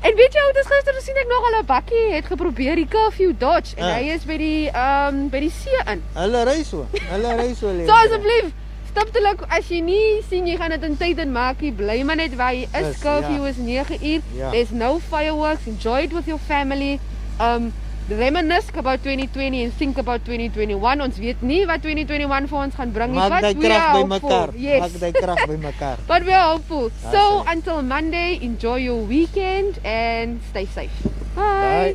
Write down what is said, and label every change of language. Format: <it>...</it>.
<af>En weet jy, Otis, gister sien ek nog al 'n bakkie het geprobeer die curfew dodge en hy is by die see in. Hulle ry so. Hulle ry so lekker. So asseblief, stop te luk as jy nie sien jy gaan dit in tyd en maak jy bly maar net waar jy is. Curfew is 9 uur.</af> <en>There's no fireworks. Enjoy it with your family. Reminisce about 2020 and think about 2021.</en> <af>Ons weet nie wat 2021 vir ons gaan bring. Maak die krag by mekaar.</af> <en>Yes.</en> <af>Maak die krag by mekaar.</af> <en>But we are hopeful. That's so right. Until Monday, enjoy your weekend and stay safe. Bye.</en>